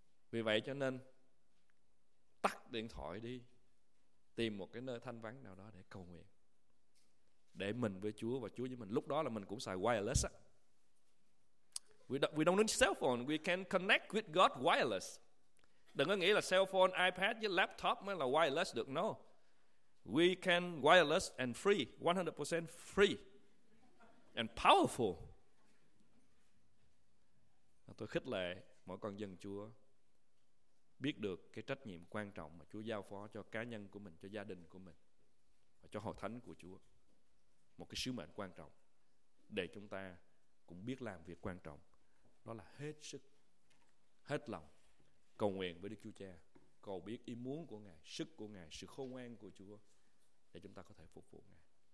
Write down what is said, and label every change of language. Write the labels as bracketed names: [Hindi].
[Vietnamese] Vì vậy cho nên tắt điện thoại đi, tìm một cái nơi thanh vắng nào đó để cầu nguyện, để mình với Chúa và Chúa với mình. Lúc đó là mình cũng xài wireless á. [English] We don't need cell phone, we can connect with God wireless. [Vietnamese] Đừng có nghĩ là cell phone, iPad với laptop mới là wireless được. [English] No, we can wireless and free, 100% free and powerful. [Vietnamese] Tôi khích lệ mỗi con dân Chúa biết được cái trách nhiệm quan trọng mà Chúa giao phó cho cá nhân của mình, cho gia đình của mình và cho hội thánh của Chúa. Một cái sứ mệnh quan trọng để chúng ta cũng biết làm việc quan trọng, đó là hết sức, hết lòng cầu nguyện với Đức Chúa Cha, cầu biết ý muốn của Ngài, sức của Ngài, sự khôn ngoan của Chúa để chúng ta có thể phục vụ Ngài.